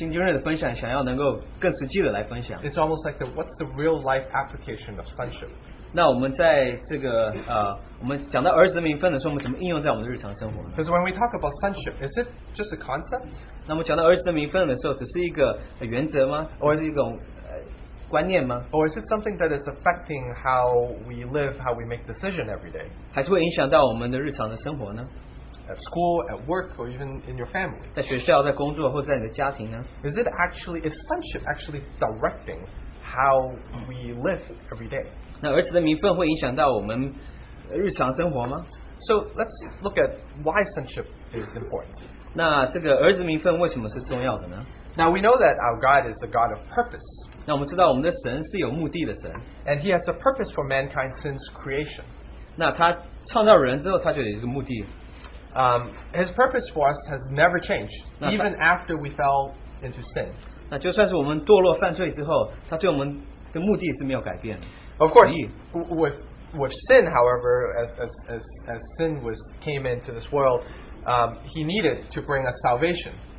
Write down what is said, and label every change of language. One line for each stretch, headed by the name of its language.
Chinese: 那我们的主也希望，新经纶的分享想要能够更实际的来分享。
English: It's almost like the what's the real life application of sonship?
Chinese: 那我们在这个我们讲到儿子的名分的时候，我们怎么应用在我们的日常生活呢？
English: Because when we talk about sonship, is it just a concept?
Chinese: 那我们讲到儿子的名分的时候，只是一个原则吗？
English: Or is it
Chinese: 一种 观念吗?
English: Or is it something that is affecting how we live, how we make decisions every day?
Chinese: 还是会影响到我们的日常的生活呢?
English: At school, at work, or even in your family.
Chinese: 在学校，在工作，或者在你的家庭呢?
English: Is sonship actually directing how we live every day?
Chinese: 那儿子的名分会影响到我们日常生活吗?
English: So let's look at why sonship is important.
Chinese: 那这个儿子名分为什么是重要的呢?
English: Now we know that our God is a God of purpose.
Chinese: 那我们知道我们的神是有目的的神。
English: And he has a purpose for mankind since creation.
Chinese: 那他创造人之后他就有一个目的。
English: His purpose for us has never changed, even after we fell into sin.
Chinese: 那就算是我们堕落犯罪之后,他对我们的目的是没有改变。
English: Of course, with sin, however, as sin was came into this world, he needed to bring us salvation.